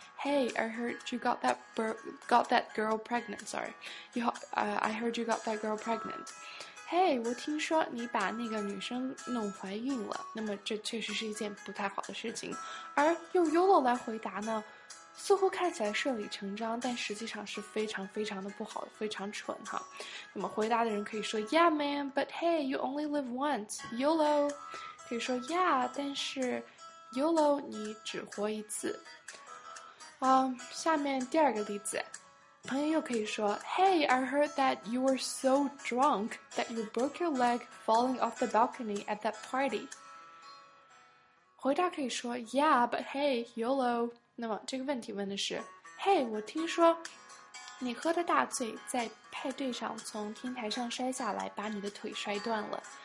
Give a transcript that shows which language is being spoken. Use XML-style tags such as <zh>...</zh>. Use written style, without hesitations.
<en>Hey, I heard you got that girl pregnant. Sorry, I heard you got that girl pregnant. Hey,</en> <zh>我听说你把那个女生弄怀孕了，那么这确实是一件不太好的事情。而用 YOLO 来回答呢，似乎看起来顺理成章，但实际上是非常非常的不好，非常蠢哈。那么回答的人可以说</zh> <en>Yeah, man, but hey, you only live once, YOLO.</en> <zh>可以说</zh> <en>Yeah,</en> <zh>但是 YOLO, 你只活一次。下面第二个例子，朋友又可以说</zh> <en>Hey, I heard that you were so drunk that you broke your leg falling off the balcony at that party.</en> <zh>回答可以说</zh> <en>Yeah, but hey, YOLO.</en> <zh>那么这个问题问的是</zh> <en>Hey,</en> <zh>我听说你喝的大醉在派对上从天台上摔下来把你的腿摔断了。</zh>